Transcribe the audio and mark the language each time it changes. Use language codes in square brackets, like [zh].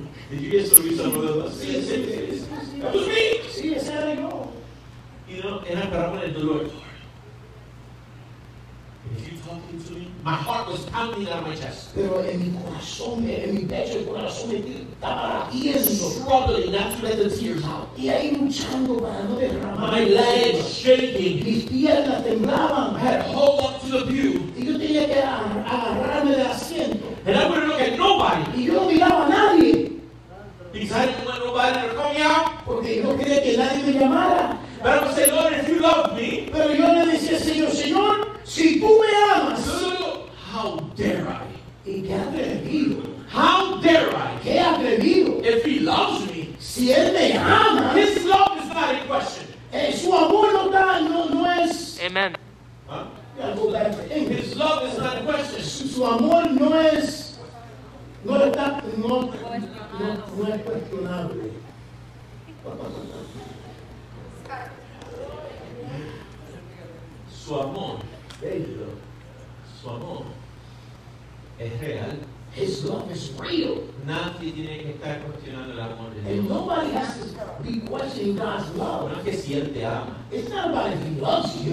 [en] Did you get some reason for the last? [es] Sí, sí, sí. [en] That was me. [es] Sí, ese era yo. [en] You know, and I [es] paraba el dolor. [en] If you're talking to me, my heart was pounding out of my chest. [es] Pero en mi corazón, en mi pecho, el corazón estaba latiendo. [en] Struggling not to let the tears out. [es] Y ahí luchando para no derramar. [en] My legs shaking. [es] Mis piernas temblaban. [en] I had to hold up to the pew. [es] Y yo tenía que agarrarme del asiento. [en] And I wouldn't look at nobody. [es] Y yo no miraba a nadie. [en] Because I didn't want nobody to call me out. [es] Porque yo quería que nadie me llamara. [en] But I would say, Lord, if you love me. [es] Pero yo le decía, Señor, Señor. Si tú me amas, [en] how dare I? [es] ¿Y qué atrevido? [en] How dare I? [es] ¿Qué atrevido? [en] If he loves me, [es] si él me ama, [en] his love is not in question. [es] Su amor no está, no es. [en] Amen. Huh? His love is not in question. [es] Su amor no es, no está, no es cuestionable. Su amor. Su amor es real. [en] His love is real. [es] Nadie tiene que estar cuestionando el amor de Dios. [en] And nobody has to be questioning God's love. [es] No es que si él te ama. [en] It's not about if he loves you.